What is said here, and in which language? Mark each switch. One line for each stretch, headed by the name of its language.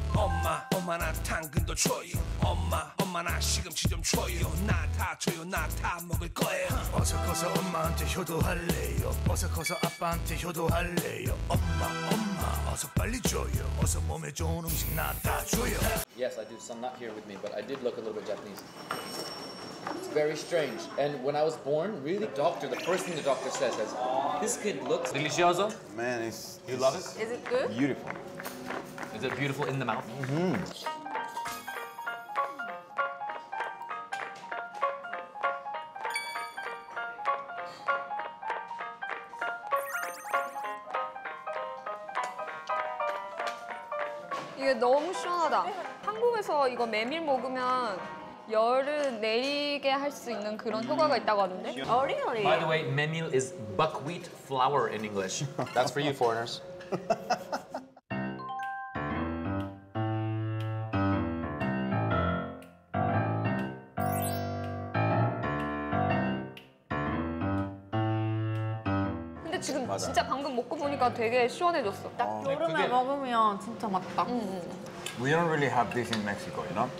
Korean: 엄마, 엄마나 당근도 줘요. 엄마, 엄마나 시금치 좀 줘요. 나 다 줘요, 나 다 먹을 거예요. 어서 커서 엄마한테 효도할래요. 어서 커서 아빠한테 효도할래요. 엄마, 엄마 어서 빨리 줘요. 어서 몸에 좋은 음식 나 다 줘요.
English: Yes, I do. So I'm not here with me, but I did look a little bit Japanese. It's very strange. And when I was born, really, the doctor, the first thing the doctor says is, this kid looks
Spanish: delicioso.
English: Man, it's... You love it? Is it good? Beautiful. Is it beautiful in the mouth? Mm-hmm. It's so hot. In Korea, if you eat this meal,
Korean: 열을 내리게 할 수 있는 그런 효과가 있다고 하는데?
English: Oh, really? By the way, 메밀 is buckwheat flour in English. That's for you, foreigners.
Korean: 근데 지금 맞아. 진짜 방금 먹고 보니까 되게 시원해졌어. 딱 여름에 그게... 먹으면 진짜 맛있다.
English: We don't really have this in Mexico, you know?